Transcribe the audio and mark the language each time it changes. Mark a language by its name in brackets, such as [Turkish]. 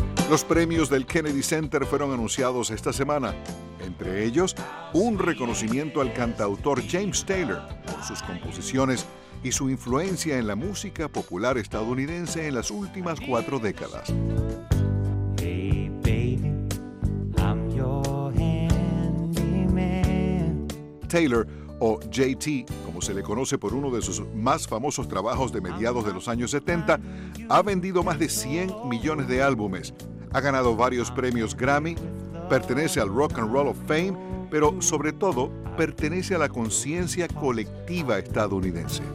[Spanish] Los premios del Kennedy Center fueron anunciados esta semana. Entre ellos, un reconocimiento al cantautor James Taylor por sus composiciones y su influencia en la música popular estadounidense en las últimas 4 décadas. [English] Hey, baby, I'm your handyman. [Spanish] Taylor, o JT, como se le conoce por uno de sus más famosos trabajos de mediados de los años 70, ha vendido más de 100 millones de álbumes. Ha ganado varios premios Grammy, pertenece al Rock and Roll of Fame, pero sobre todo pertenece a la conciencia colectiva estadounidense.